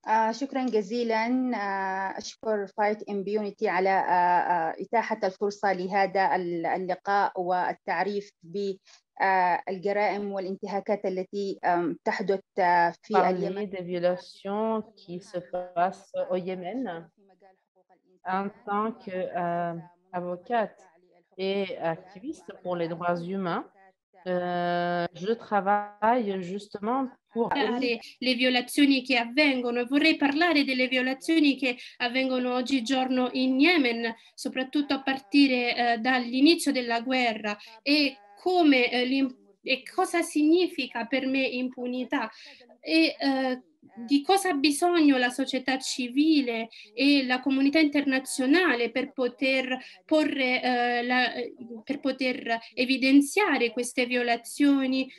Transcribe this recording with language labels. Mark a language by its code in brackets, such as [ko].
[ar] شكرا جزيلا اشكر فايت امبيونيتي على اتاحه الفرصه لهذا اللقاء والتعريف بالجرائم والانتهاكات التي تحدث في اليمن [fr] des violations qui se passent au Yémen en tant que avocate et activiste pour les droits humains je travaille justement [it] le violazioni che avvengono. Vorrei parlare delle violazioni che avvengono oggigiorno in Yemen, soprattutto a partire dall'inizio della guerra e come e cosa significa per me impunità e di cosa ha bisogno la società civile e la comunità internazionale per poter porre per poter evidenziare queste violazioni